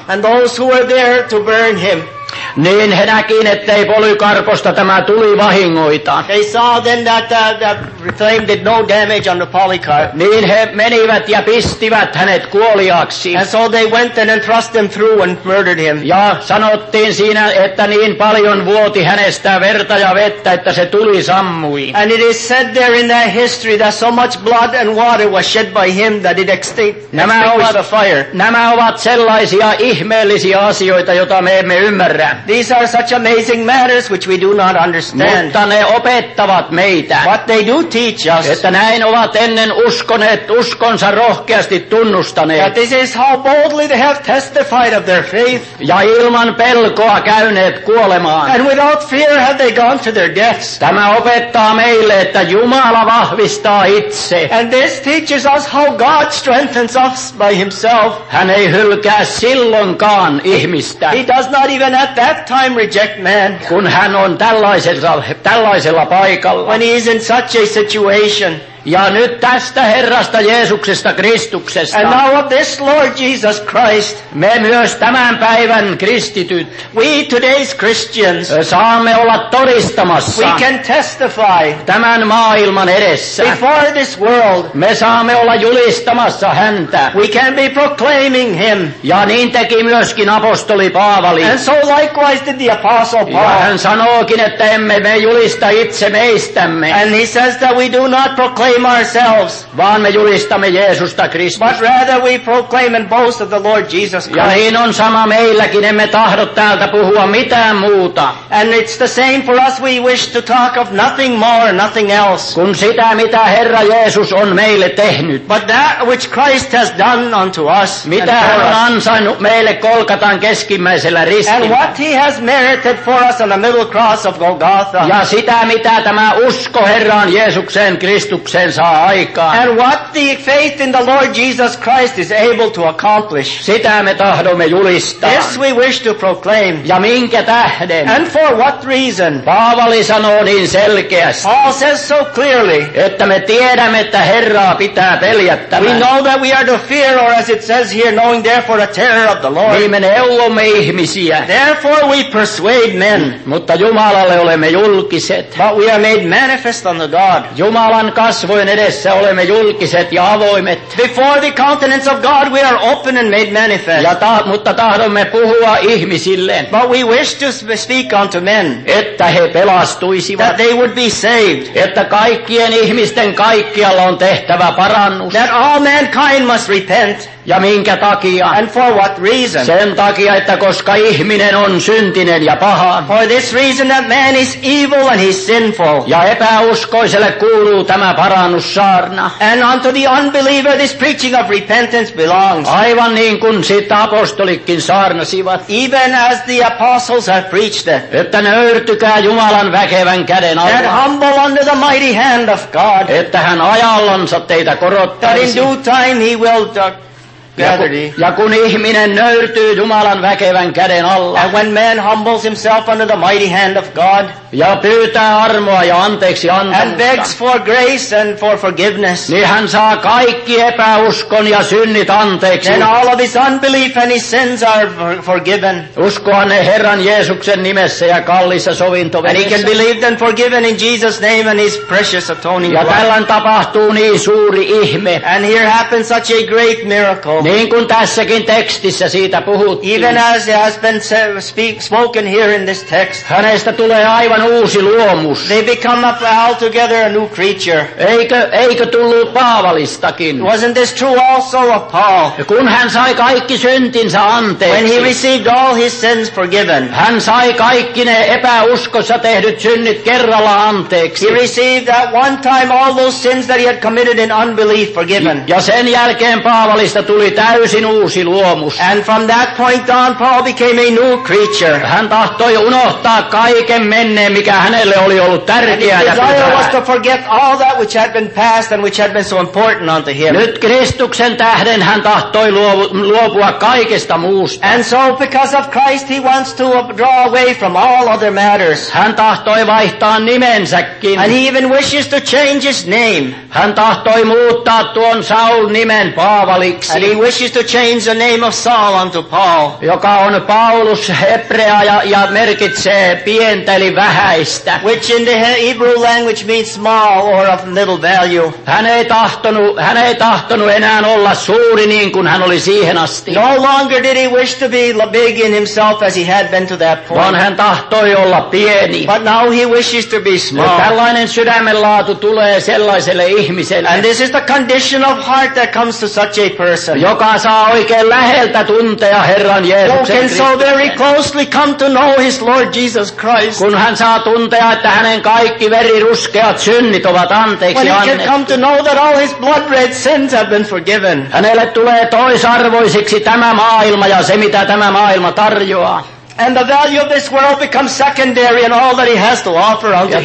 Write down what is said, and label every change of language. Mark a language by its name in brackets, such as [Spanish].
[English] And those who were there to burn him. [Finnish] Niin he näkivät, ettei Polykarposta tämä tuli vahingoita. [English] They saw then that flame did no damage on the Polycarp. [Finnish] Niin he menivät ja pistivät hänet kuoliaksi. [English] And so they went then and thrust him through and murdered him. [Finnish] Ja sanottiin siinä, että niin paljon vuoti hänestä verta ja vettä, että se tuli sammui. [English] And it is said there in that history that so much blood and water was shed by him that it extinguished the fire. [Finnish] Nämä ovat sellaisia ihmeellisiä asioita, joita me emme ymmärrä. [English] These are such amazing matters which we do not understand. [Finnish] Mutta ne opettavat meitä. [English] What they do teach us. [Finnish] Että näin ovat ennen uskoneet, uskonsa rohkeasti tunnustaneet. [English] That this is how boldly they have testified of their faith. [Finnish] Ja ilman pelkoa käyneet kuolemaan. [English] And without fear have they gone to their deaths. [Finnish] Tämä opettaa meille, että Jumala vahvistaa itse. [English] And this teaches us how God strengthens us by himself. [Finnish] Hän ei hylkää silloinkaan ihmistä. [English] He does not even at that time reject man. [Finnish] Kun hän on tällaisella paikalla. [English] When he is in such a situation. [Finnish] Ja nyt tästä Herrasta Jeesuksesta Kristuksesta. [English] And now of this Lord Jesus Christ. [Finnish] Me myös tämän päivän kristityt. [English] We today's Christians. [Finnish] Saamme olla todistamassa. [English] We can testify. [Finnish] Tämän maailman edessä. [English] Before this world. [Finnish] Me saamme olla julistamassa häntä. [English] We can be proclaiming him. [Finnish] Ja niin teki myöskin apostoli Paavali. [English] And so likewise did the apostle Paul. [Finnish] Ja hän sanookin, että emme me julista itse meistämme. [English] And he says that we do not proclaim ourselves, [Finnish] vaan me julistamme Jeesusta Kristusta. [English] But rather we proclaim and boast of the Lord Jesus Christ. [Finnish] Ja niin on sama meilläkin, emme tahdo täältä puhua mitään muuta. [English] And it's the same for us, we wish to talk of nothing more, nothing else. [Finnish] Kun sitä, mitä Herra Jeesus on meille tehnyt. [English] But that which Christ has done unto us. [Finnish] Mitä hän on ansainnut meille Golgatan keskimmäisellä ristillä. [English] And what he has merited for us on the middle cross of Golgotha. [Finnish] Ja sitä, mitä tämä usko Herraan Jeesukseen Kristus. [English] And what the faith in the Lord Jesus Christ is able to accomplish. [Finnish] Sitä me tahdomme julistaa. [English] This we wish to proclaim. [Finnish] Ja minkä tähden. [English] And for what reason. [Finnish] Paavali sanoo niin selkeästi. [English] Paul says so clearly. [Finnish] Että me tiedämme, että Herraa pitää peljättämään. [English] We know that we are to fear, or as it says here, knowing therefore a terror of the Lord. [Finnish] Niin me neuvomme ihmisiä. [English] Therefore we persuade men. [Finnish] Mutta Jumalalle olemme julkiset. [English] But we are made manifest unto God. [Finnish] Jumala kasvojen edessä olemme julkiset ja avoimet. [English] Before the countenance of God we are open and made manifest. [Finnish] Mutta tahdomme puhua ihmisille. [English] But we wish to speak unto men. [Finnish] Että he pelastuisivat. [English] That they would be saved. [Finnish] Että kaikkien ihmisten kaikkialla on tehtävä parannus. [English] That all mankind must repent. [Finnish] Ja minkä takia? [English] And for what reason? [Finnish] Sen takia, että koska ihminen on syntinen ja paha. [English] For this reason that man is evil and he's sinful. [Finnish] Ja epäuskoiselle kuuluu tämä parannussaarna. [English] And unto the unbeliever this preaching of repentance belongs. [Finnish] Aivan niin kuin sitä apostolikin saarnasivat. [English] Even as the apostles have preached it. [Finnish] Että nöyrtykää Jumalan väkevän käden alla. [English] That humble under the mighty hand of God. [Finnish] Että hän ajallansa teitä korottaisi. [English] That in due time he will eternity. [Finnish] Ja kun ihminen nöyrtyy Jumalan väkevän käden alla. [English] And when man humbles himself under the mighty hand of God. [Finnish] Ja pyytää armoa ja anteeksi antamusta. [English] And begs for grace and for forgiveness. [Finnish] Niin hän saa kaikki epäuskon ja synnit anteeksi. [English] Then all of his unbelief and his sins are forgiven. [Finnish] Uskoa ne Herran Jeesuksen nimessä ja kallissa sovintoveressä. [English] And he can believe and forgiven in Jesus' name and his precious atoning blood. [Finnish] Ja tällan tapahtuu niin suuri ihme. [English] And here happens such a great miracle. [Finnish] Niin kuin tässäkin tekstissä siitä puhuttiin. [English] Even as it has been spoken here in this text. [Finnish] Hänestä tulee aivan uusi luomus. [English] They become up altogether a new creature. [Finnish] Eikö tullut Paavalistakin? [English] Wasn't this true also of Paul? [Finnish] Ja kun hän sai kaikki syntinsä anteeksi. [English] When he received all his sins forgiven. [Finnish] Hän sai kaikki ne epäuskossa tehdyt synnit kerralla anteeksi. [English] He received at one time all those sins that he had committed in unbelief forgiven. [Finnish] Ja sen jälkeen Paavalista tuli täysin uusi luomus. [English] And from that point on Paul became a new creature. [Finnish] Hän tahtoi unohtaa kaiken menneen, mikä hänelle oli ollut tärkeää ja pyhää. [English] His desire was to forget all that which had been past and which had been so important unto him. [Finnish] Nyt Kristuksen tähden hän tahtoi luopua kaikesta muusta. [English] And so because of Christ he wants to draw away from all other matters. [Finnish] Hän tahtoi vaihtaa nimensäkin. [English] And he even wishes to change his name. [Finnish] Hän tahtoi muuttaa tuon Saul nimen Paavaliksi. [English] And he wishes to change the name of Saul unto Paul. [Finnish] Joka on Paulus hebrea ja merkitsee pientä eli vähäistä. [English] Which in the Hebrew language means small or of little value. [Finnish] Hän ei tahtonut enää olla suuri niin kuin hän oli siihen asti. [English] No longer did he wish to be big in himself as he had been to that point. [Finnish] Vaan hän tahtoi olla pieni. [English] But now he wishes to be small. [Finnish] Ja tällainen sydämenlaatu tulee sellaiselle ihmiselle. [English] And this is the condition of heart that comes to such a person. [Finnish] Joka saa oikein läheltä tuntea Herran Jeesuksen Kristuksen. [English] Who can so very closely come to know his Lord Jesus Christ. [Finnish] Kun hän saa tuntea, että hänen kaikki veriruskeat synnit ovat anteeksi annettu. [English] When he can come to know that all his blood red sins have been forgiven. [Finnish] Hänelle tulee toisarvoisiksi tämä maailma ja se mitä tämä maailma tarjoaa. [English] And the value of this world becomes secondary in all that he has to offer unto him.